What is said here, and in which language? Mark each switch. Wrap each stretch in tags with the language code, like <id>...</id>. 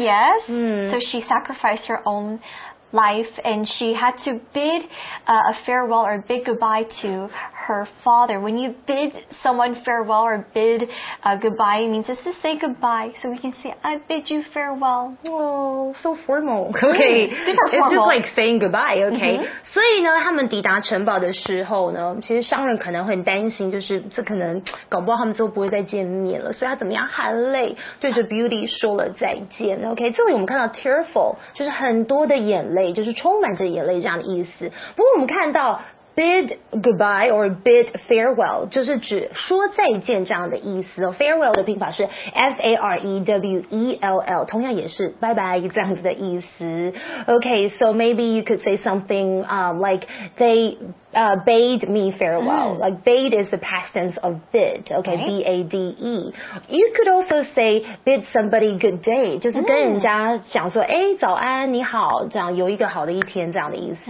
<en>Yes. Mm. So she sacrificed her own life, and she had to bid a farewell or bid goodbye to her father. When you bid someone farewell or bid goodbye, it means just to say goodbye. So we can say, I bid you farewell. Oh, so formal. Okay. Super formal. It's just like saying goodbye, okay? Mm-hmm.</en> <zh>所以呢他们抵达城堡的时候呢其实商人可能会很担心就是这可能搞不好他们之后不会再见面了。所以他怎么样含泪对着 Beauty 说了再见。 Okay? 这里我们看到 tearful, 就是很多的眼泪就是充满着眼泪这样的意思。不过我们看到</zh> <en>Bid goodbye or bid farewell</en> <zh>就是指说再见这样的意思、哦、Farewell 的拼法是 F-A-R-E-W-E-L-L 同样也是拜拜这样子的意思</zh> <en>Okay, so maybe you could say something、like they、bade me farewell、mm. Like bade is the past tense of bid Okay,、right. B-A-D-E You could also say bid somebody good day</en> <zh>就是跟人家讲说、</zh> <en>mm.</en> <zh>哎早安你好这样有一个好的一天这样的意思、</zh>